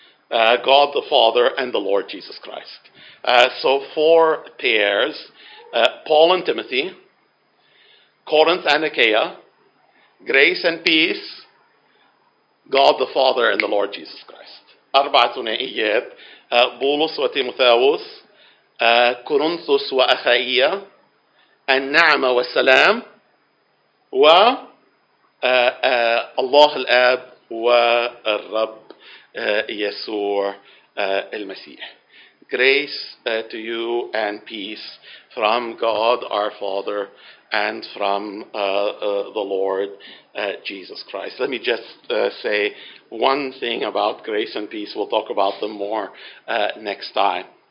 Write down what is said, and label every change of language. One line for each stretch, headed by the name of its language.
English: God the Father and the Lord Jesus Christ. So four pairs, Paul and Timothy, Corinth and Achaia, grace and peace, God the Father and the Lord Jesus Christ.
Arabic: أربعة ثنائيات, بولس وتيموثاوس, كورنثوس وأخائية, النعمة والسلام, و الله الآب والرب يسوع المسيح.
English: Grace to you and peace from God our Father and from the Lord Jesus Christ. Let me just say one thing about grace and peace. We'll talk about them more next time.